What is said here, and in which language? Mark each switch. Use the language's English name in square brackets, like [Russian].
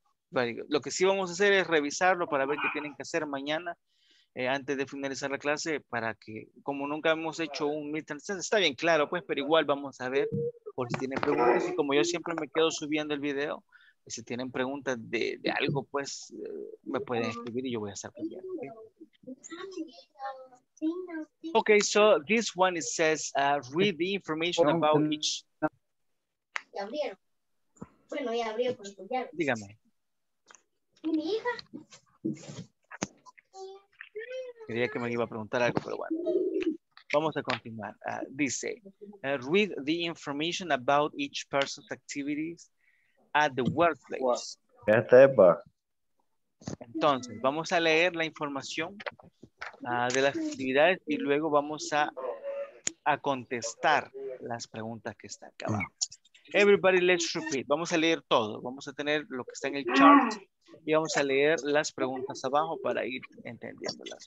[Spanish] Bueno, lo que sí vamos a hacer es revisarlo para ver qué tienen que hacer mañana antes de finalizar la clase para que, como nunca hemos hecho un midterm test, está bien claro, pues, pero igual vamos a ver por si tienen preguntas. Y como yo siempre me quedo subiendo el video, si tienen preguntas de algo, pues, me pueden escribir y yo voy a estar pendiente. ¿Okay? [English] Ok, so this one it says, read the information about each... [Spanish] Ya abrieron. Bueno, ya abrió cuando ya. Dígame. ¿Y mi hija? Quería que me iba a preguntar algo, pero bueno. Vamos a continuar. [English] Dice, read the information about each person's activities at the workplace. [Spanish] Esteba. Entonces, vamos a leer la información de las actividades y luego vamos a contestar las preguntas que están acá abajo. [English] Everybody, let's repeat. [Spanish] Vamos a leer todo. Vamos a tener lo que está en el chart y vamos a leer las preguntas abajo para ir entendiéndolas.